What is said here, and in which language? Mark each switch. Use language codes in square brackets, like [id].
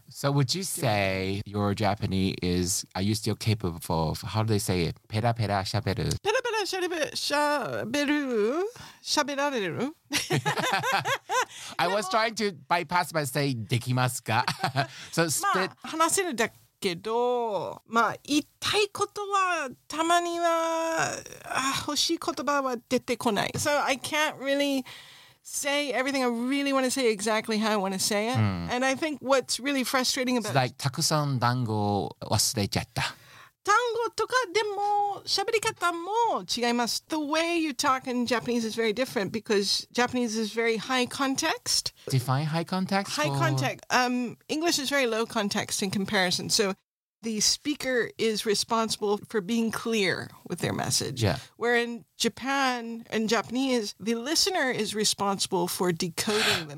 [en] So would you say your Japanese is, are you still capable of, how do they say it? [ja] Pera pera shaberu. Pera pera shaberu. Shaberareru. [en] I was trying to bypass by saying [ja] "できますか?" [en] So spit. [ja] まあ話せるだけど、まあ言いたい言葉はたまには欲しい言葉は出てこない. [en] So I can't really say everything I really want to say exactly how I want to say it. And I think what's really frustrating about it's like [ja] takusan dango wasurejatta. 単語とかでも喋り方も違います. [en] The way you talk in Japanese is very different because Japanese is very high context. Define high context? High context. English is very low context in comparison. So the speaker is responsible for being clear with their message. Yeah. Where in Japan, in Japanese, the listener is responsible for decoding the message.